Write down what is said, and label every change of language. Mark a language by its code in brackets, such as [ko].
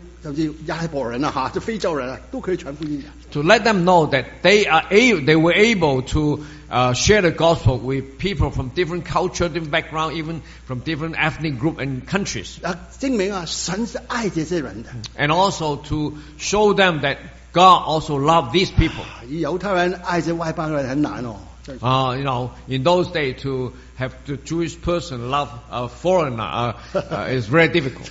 [zh] 给他们知道原来啊，他们可以啊，对各个族不同背景啊，甚至亚伯人啊，就非洲人啊，都可以传福音。 [en] To let them know that they were able to share the gospel with people from different culture, different background, even from different ethnic group and countries. [zh] 证明啊，神是爱这些人的。 [en] And also to show them that God also loved these people. [zh] 犹太人爱这外邦人很难哦。 [en] You know, in those days, to have the Jewish person love a foreigner is very difficult.